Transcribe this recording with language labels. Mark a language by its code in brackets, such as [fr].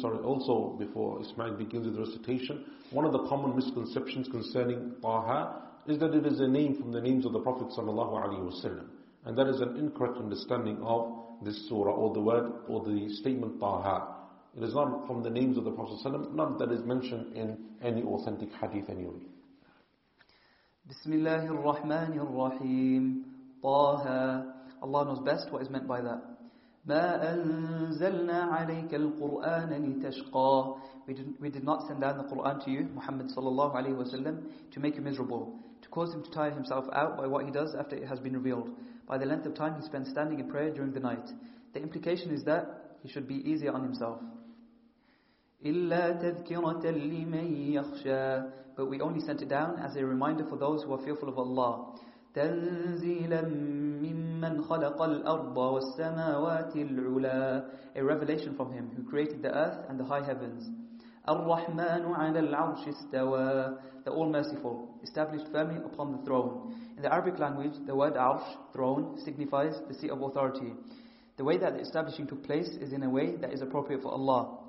[en] Sorry, also before Ismail begins with the recitation, one of the common misconceptions concerning Taha is that it is a name from the names of the Prophet sallallahu alaihi wasallam, and that is an incorrect understanding of this surah or the word or the statement Taha. It is not from the names of the Prophet sallallahu alaihi wasallam, not that is mentioned in any authentic hadith anyway. [ar] Bismillahir Rahmanir Rahim. Taha. [en] Allah knows best what is meant by that. [ar] ما أنزلنا عليك القرآن لتشقى. [en] We did not send down the Quran to you, Muhammad sallallahu alaihi wasallam, to make you miserable, to cause him to tire himself out by what he does after it has been revealed, by the length of time he spends standing in prayer during the night. The implication is that he should be easier on himself. [ar] إلا تذكرة لمن يخشى. [en] But we only sent it down as a reminder for those who are fearful of Allah. [ar] تنزيلا ممن خلق الأرض والسماوات العلا. [en] A revelation from him who created the earth and the high heavens. [ar] الرحمن على العرش استوى. [en] The All Merciful, established firmly upon the throne. In the Arabic language, the word arsh, throne, signifies the seat of authority. The way that the establishing took place is in a way that is appropriate for Allah.